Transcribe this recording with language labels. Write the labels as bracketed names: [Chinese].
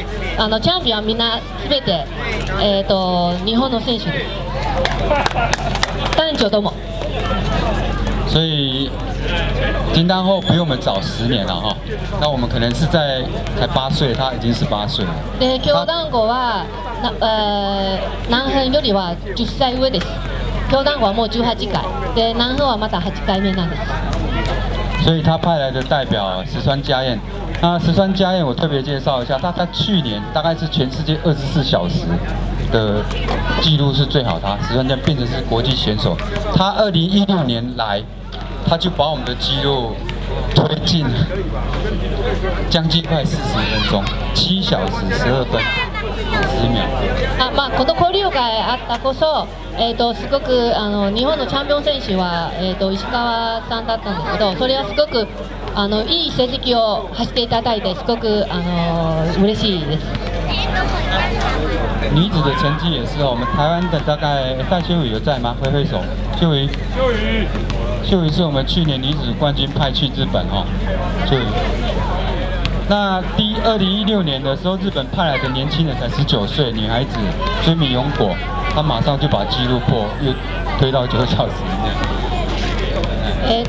[Japanese] チャンピオンはみんなすべて、日本の選手です。男女とも。 [Chinese] 所以金丹后比我们早10年了哈，那我们可能是在才8岁，他已经是8岁了。 [Japanese] 对，京丹后は南橫よりは10歳上です。京丹后はもう18回、で南橫はまだ8回目なんです。 [Chinese] 所以他派来的代表石川佳彦，那石川佳彦我特别介绍一下，他去年大概是全世界24小时。的记录是最好的，石川佳彦变成是国际选手。他2016年来，他就把我们的记录推进将近快40分钟，7小时12分10秒。 [Japanese] 啊，まあこの交流会あったこそ、すごく日本のチャンピオン選手は石川さんだったんですけど、それはすごくいい成績を走っていただいて、すごく嬉しいです。 [Chinese] 女子的成绩也是，我们台湾的大概戴秀宇有在吗？挥挥手，秀宇，秀宇，秀宇是我们去年女子冠军派去日本哦，秀宇。那第2016年的时候，日本派来的年轻人才19岁，女孩子追米永果，她马上就把纪录破，又推到9小时以内。